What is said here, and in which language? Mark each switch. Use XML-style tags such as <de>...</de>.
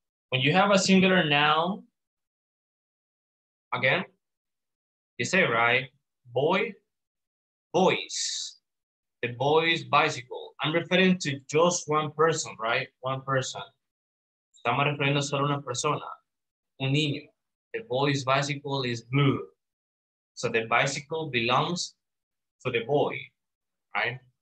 <en>When you have a singular noun, again, you say, right, boy, boys, the boy's bicycle. I'm referring to just one person, right? One person.</en> <es>Estamos refiriendo solo a una persona, un niño.</es> <en>The boy's bicycle is blue. So the bicycle belongs to the boy, right?</en>